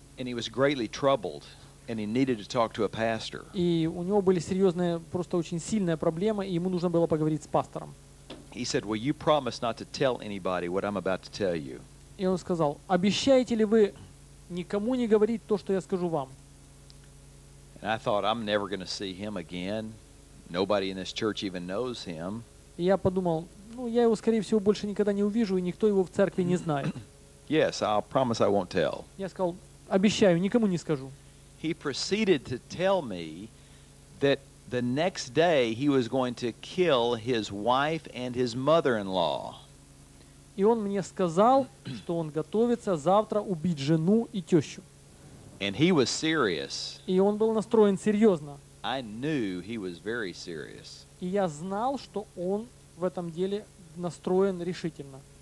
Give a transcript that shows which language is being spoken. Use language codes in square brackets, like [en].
[en] And he was greatly troubled, and he needed to talk to a pastor. [ru] И у него были серьезные, просто очень сильные проблемы, и ему нужно было поговорить с пастором. [en] He said, "Will you promise not to tell anybody what I'm about to tell you?" [ru] И он сказал: "Обещаете ли вы никому не говорить то, что я скажу вам?" [en] And I thought, I'm never going to see him again. Nobody in this church even knows him. [ru] Я подумал, ну, я его, скорее всего, больше никогда не увижу, и никто его в церкви не знает. [en] Yes, I'll promise I won't tell. [ru] Я сказал, обещаю, никому не скажу. [en] He proceeded to tell me that the next day he was going to kill his wife and his mother-in-law. [ru] И он мне сказал, что он готовится завтра убить жену и тещу. [en] And he was serious. [ru] И он был настроен серьезно. [en] I knew he was very serious. [ru] И я знал, что он в этом деле настроен решительно.